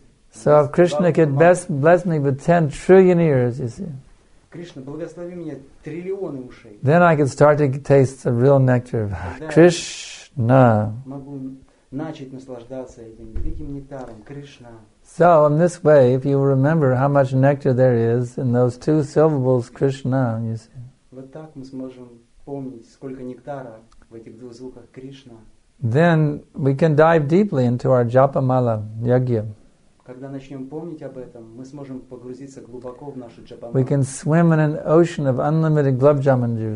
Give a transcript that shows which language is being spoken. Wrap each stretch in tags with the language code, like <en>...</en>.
<en>So if Krishna could best bless me with 10 trillion ears, you see, then I could start to taste the real nectar of Krishna.</en> <ru>начать наслаждаться этим великим нектаром Кришна.</ru> <en>So in this way, if you remember how much nectar there is in those two syllables Krishna, you see.</en> <ru>Вот так мы сможем помнить, сколько нектара в этих двух звуках Кришна.</ru> <en>Then we can dive deeply into our japa mala yagya.</en> <ru>Когда начнем помнить об этом, мы сможем погрузиться глубоко в нашу джапа.</ru> <en>We can swim in an ocean of unlimited gulab jamun juice.</en>